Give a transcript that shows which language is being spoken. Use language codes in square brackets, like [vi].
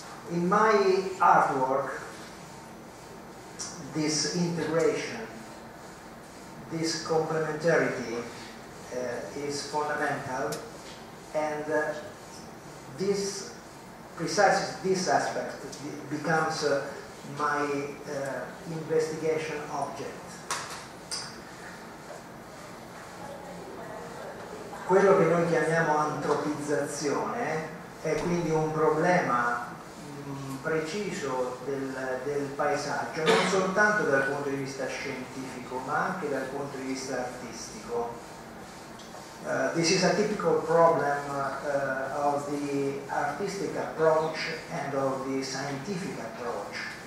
[en] In my artwork, this integration, this complementarity is fundamental, and this precisely this aspect becomes my investigation object. [it] Quello che noi chiamiamo antropizzazione è quindi un problema preciso del paesaggio, non soltanto dal punto di vista scientifico, ma anche dal punto di vista artistico. [en] This is a typical problem of the artistic approach and of the scientific approach.